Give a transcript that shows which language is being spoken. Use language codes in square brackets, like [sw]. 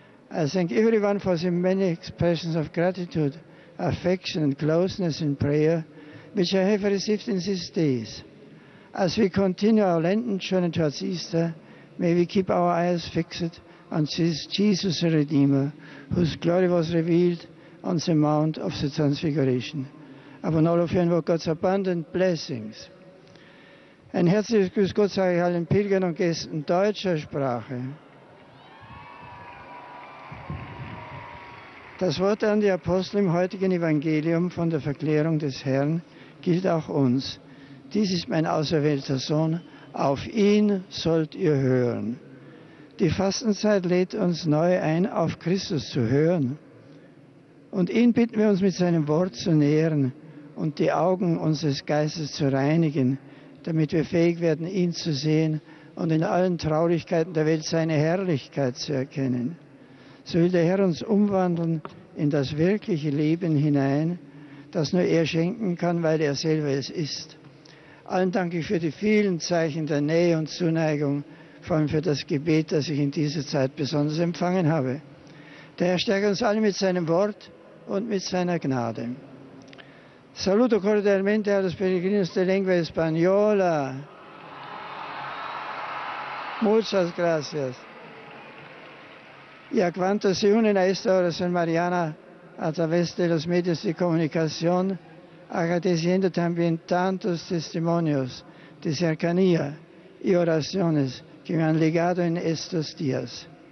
[en] I thank everyone for the many expressions of gratitude, affection and closeness in prayer which I have received in these days. As we continue our Lenten journey towards Easter, may we keep our eyes fixed on Jesus the Redeemer, whose glory was revealed on the Mount of the Transfiguration. Upon all of you invoke God's abundant blessings. [de] Ein herzliches Grüß Gott sage ich allen Pilgern und Gästen deutscher Sprache. Das Wort an die Apostel im heutigen Evangelium von der Verklärung des Herrn gilt auch uns. Dies ist mein auserwählter Sohn, auf ihn sollt ihr hören. Die Fastenzeit lädt uns neu ein, auf Christus zu hören. Und ihn bitten wir uns mit seinem Wort zu nähren und die Augen unseres Geistes zu reinigen, damit wir fähig werden, ihn zu sehen und in allen Traurigkeiten der Welt seine Herrlichkeit zu erkennen. So will der Herr uns umwandeln in das wirkliche Leben hinein, das nur er schenken kann, weil er selber es ist. Allen danke ich für die vielen Zeichen der Nähe und Zuneigung, vor allem für das Gebet, das ich in dieser Zeit besonders empfangen habe. Der Herr stärke uns alle mit seinem Wort und mit seiner Gnade. [es] Saluto cordialmente a los peregrinos de lengua española. Muchas gracias. Y a cuantos se unen a esta oración mariana a través de los medios de comunicación, agradeciendo también tantos testimonios de cercanía y oraciones que me han ligado en estos días.